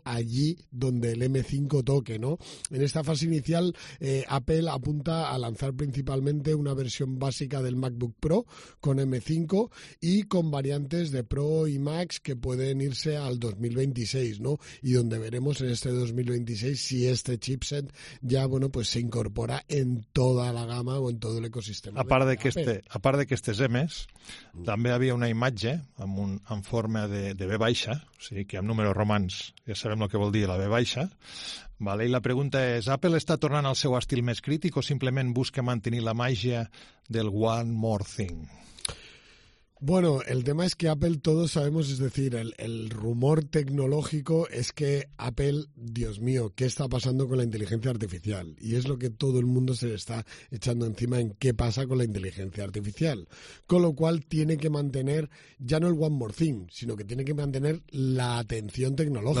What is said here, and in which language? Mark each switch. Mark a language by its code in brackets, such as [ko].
[es] Allí donde el M5 toque, ¿no? En esta fase inicial, Apple apunta a lanzar principalmente una versión básica del MacBook Pro con M5 y con variantes de Pro y Max que pueden irse al 2026, ¿no? Y donde veremos en este 2026 si este chipset ya, bueno, pues se incorpora en toda la gama o en todo el ecosistema. [ca] A part de que estes emes, també havia una imatge en forma de V baixa, o sigui que amb números romans ja sabem el que vol dir la V baixa, vale? I la pregunta és, Apple està tornant al seu estil més crític o simplement busca mantenir la màgia del [en] one more thing? [es] Bueno, el tema es que Apple, todos sabemos, es decir, el rumor tecnológico es que Apple, Dios mío, ¿qué está pasando con la inteligencia artificial? Y es lo que todo el mundo se le está echando encima, en qué pasa con la inteligencia artificial. Con lo cual tiene que mantener, ya no el [en] one more thing, [es] sino que tiene que mantener la atención tecnológica.